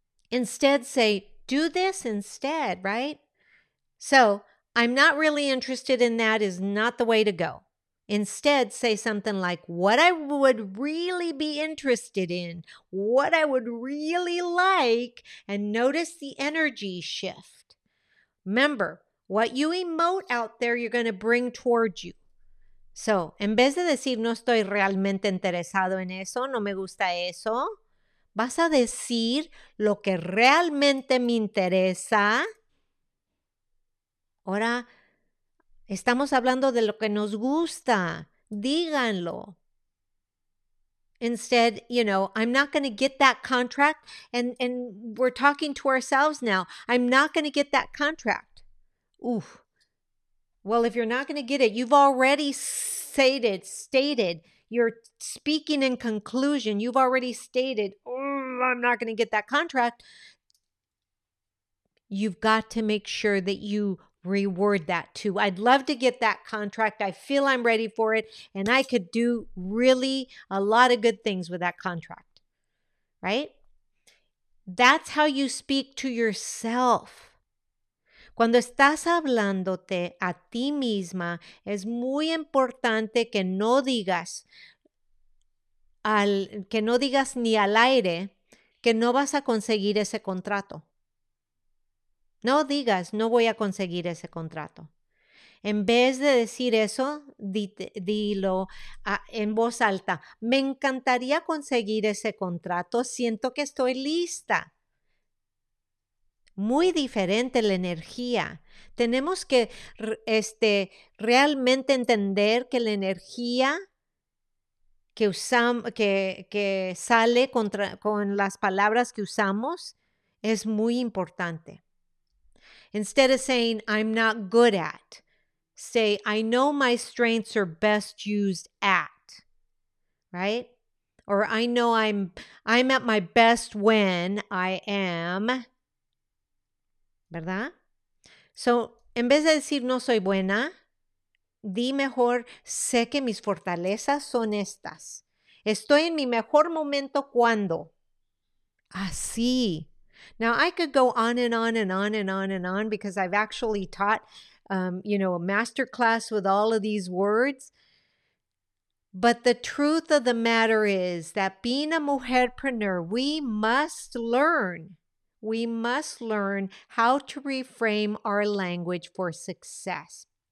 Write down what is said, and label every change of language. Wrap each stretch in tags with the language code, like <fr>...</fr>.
<en>Instead, say, do this instead, right? So, I'm not really interested in that is not the way to go. Instead, say something like, what I would really be interested in, what I would really like, and notice the energy shift. Remember, what you emote out there, you're going to bring towards you.</en> <es>So, en vez de decir, no estoy realmente interesado en eso, no me gusta eso, vas a decir lo que realmente me interesa. Ahora, estamos hablando de lo que nos gusta. Díganlo.</es> <en>Instead, you know, I'm not going to get that contract. And we're talking to ourselves now. I'm not going to get that contract. Oof. Well, if you're not going to get it, you've already stated, you're speaking in conclusion. You've already stated, oh, I'm not going to get that contract. You've got to make sure that you reward that too. I'd love to get that contract. I feel I'm ready for it. And I could do really a lot of good things with that contract, right? That's how you speak to yourself.</en> <es>Cuando estás hablándote a ti misma, es muy importante que no digas ni al aire que no vas a conseguir ese contrato. No digas, no voy a conseguir ese contrato. En vez de decir eso, dilo en voz alta. Me encantaría conseguir ese contrato. Siento que estoy lista. Muy diferente la energía. Tenemos que realmente entender que la energía que sale con las palabras que usamos es muy importante.</es> <en>Instead of saying, I'm not good at, say, I know my strengths are best used at, right? Or I know I'm at my best when I am,</en> <es>¿verdad? So, en vez de decir no soy buena, di mejor, sé que mis fortalezas son estas. Estoy en mi mejor momento cuando. Así.</es> <en>Now, I could go on and on and on and on and on because I've actually taught, a masterclass with all of these words. But the truth of the matter is that being a mujerpreneur, we must learn how to reframe our language for success.</en>